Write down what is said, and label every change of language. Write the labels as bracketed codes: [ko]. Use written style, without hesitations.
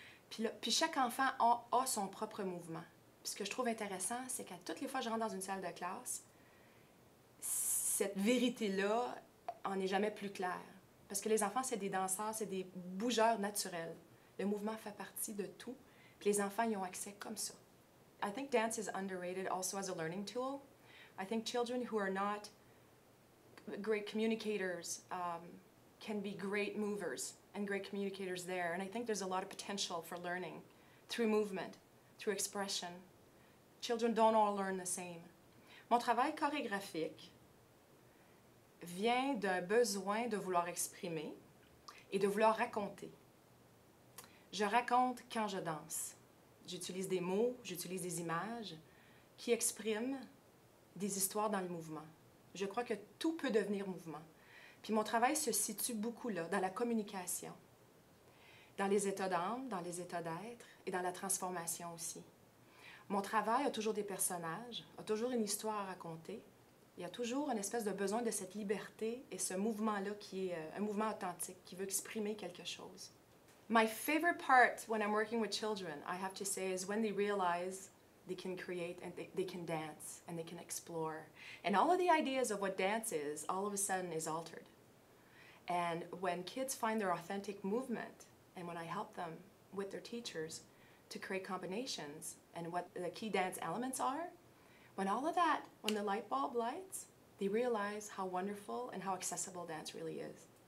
[fr] Puis chaque enfant a son propre mouvement. Puis ce que je trouve intéressant, c'est qu'à toutes les fois que je rentre dans une salle de classe, cette vérité-là en est jamais plus claire. Parce que les enfants, c'est des danseurs, c'est des bougeurs naturels. Le mouvement fait partie de tout. Puis les enfants y ont accès comme ça. [en] I think dance is underrated also as a learning tool. I think children who are not great communicators can be great movers and great communicators there. And I think there's a lot of potential for learning through movement, through expression. Children don't all learn the same. [fr] Mon travail chorégraphique vient d'un besoin de vouloir exprimer et de vouloir raconter. Je raconte quand je danse. J'utilise des mots, j'utilise des images qui expriment des histoires dans le mouvement. Je crois que tout peut devenir mouvement. Puis mon travail se situe beaucoup là, dans la communication, dans les états d'âme, dans les états d'être et dans la transformation aussi. Mon travail a toujours des personnages, a toujours une histoire à raconter. Il y a toujours une espèce de besoin de cette liberté et ce mouvement-là qui est un mouvement authentique, qui veut exprimer quelque chose. [en] My favorite part when I'm working with children, I have to say, is when they realize they can create and they can dance and they can explore. And all of the ideas of what dance is, all of a sudden, is altered. And when kids find their authentic movement, and when I help them with their teachers to create combinations and what the key dance elements are, when all of that, when the light bulb lights, they realize how wonderful and how accessible dance really is.